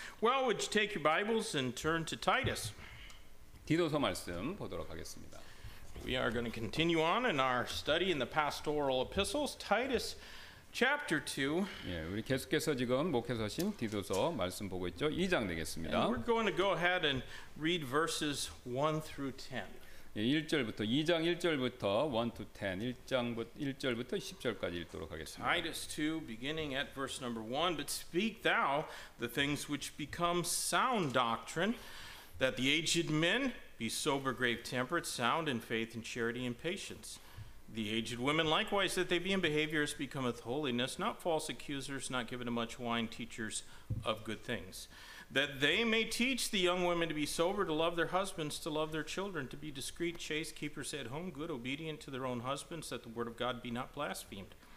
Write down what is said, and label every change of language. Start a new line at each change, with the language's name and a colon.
English: Well, would you take your Bibles and turn to Titus?
Korean: 디도서 말씀 보도록 하겠습니다.
English: We are going to continue on in our study in the pastoral epistles, Titus chapter 2.
Korean: 예, 우리 계속해서 지금 목회서신 디도서 말씀 보고 있죠. 2장 되겠습니다.
English: And we're going to go ahead and read verses 1 through 10.
Korean: 1절부터 2장 1절부터
English: 1 to 10
Korean: 1장부터 1절부터 10절까지 읽도록 하겠습니다.
English: Titus 2 beginning at verse number 1 but speak thou the things which become sound doctrine that the aged men be sober grave temperate sound in faith and charity and patience the aged women likewise that they be in behavior as becometh holiness not false accusers not given to much wine teachers of good things that they may teach the young women to be sober, to love their husbands, to love their children, to be discreet, chaste, keepers at home, good, obedient to their own husbands, that the word of God be not blasphemed.